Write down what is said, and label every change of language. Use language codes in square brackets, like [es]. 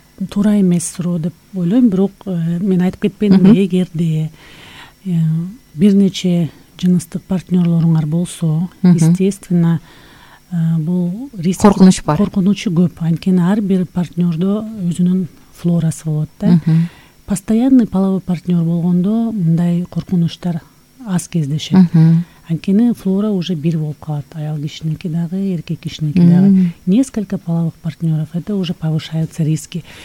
[ky] Туура эмес суроо деп ойлойм, бирок мен айтып кетпедимби, эгерде бир нече жыныстык партнерлоруңар болсо, естественно, бул риск, коркунуч бар. Коркунучу көп, анткени ар бир партнёрдо өзүнүн флорасы болот да. [ru] Постоянный половой партнёр [ky] болгондо мындай коркунучтар аз кездешет. Анткени флора уже бир болуп калат. Аял кишиники дагы, эркек кишиники дагы. [ru] Несколько половых партнёров, это уже повышаются риски.